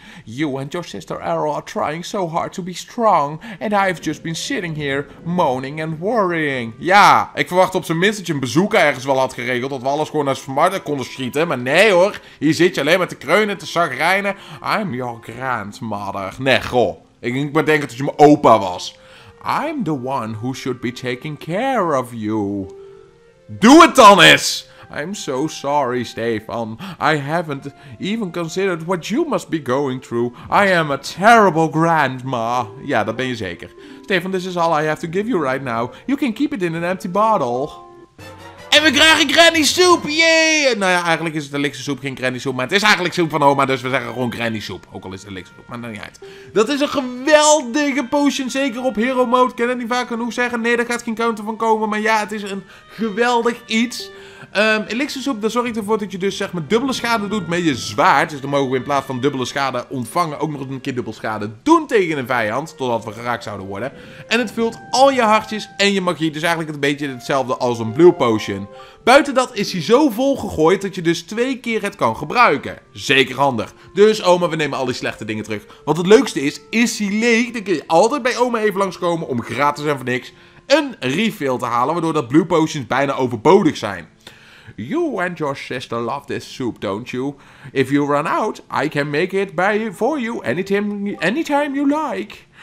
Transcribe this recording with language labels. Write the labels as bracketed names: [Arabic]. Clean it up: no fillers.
[English] You and your sister Errol are trying so hard to be strong. And I've just been sitting here, moaning and worrying. [Dutch] Ja, ik verwacht op zijn minst dat je een bezoek ergens wel had geregeld. Dat we alles gewoon naar Smarter konden schieten. Maar nee hoor, hier zit je alleen maar te kreunen, te chagrijnen. [English] I'm your grandmother. [Dutch] Nee, goh. Ik denk maar denken dat je mijn opa was. [English] I'm the one who should be taking care of you. [Dutch] Doe het dan eens! [English] I'm so sorry, Stefan. I haven't even considered what you must be going through. I am a terrible grandma. [Dutch] Ja, dat ben je zeker. [English] Stefan, this is all I have to give you right now. You can keep it in an empty bottle. [Dutch] En we krijgen granny soup, yay! Nou ja, eigenlijk is het elixir soep geen granny soep, maar het is eigenlijk soep van oma, dus we zeggen gewoon granny soep. Ook al is het elixir soep, maar dan niet uit. Dat is een geweldige potion, zeker op hero mode. Kan het niet vaak genoeg zeggen, nee, daar gaat geen counter van komen, maar ja, het is een geweldig iets. Elixir soep, daar zorg ik ervoor dat je dus zeg maar dubbele schade doet met je zwaard. Dus dan mogen we in plaats van dubbele schade ontvangen ook nog een keer dubbele schade doen tegen een vijand, totdat we geraakt zouden worden. En het vult al je hartjes en je magie, dus eigenlijk een beetje hetzelfde als een blue potion. Buiten dat is hij zo vol gegooid dat je dus twee keer het kan gebruiken. Zeker handig. Dus oma, we nemen al die slechte dingen terug. Want het leukste is hij leeg, dan kun je altijd bij oma even langskomen om gratis en voor niks een refill te halen, waardoor dat blue potions bijna overbodig zijn. [English] You and your sister love this soup, don't you? If you run out, I can make it by for you anytime you like.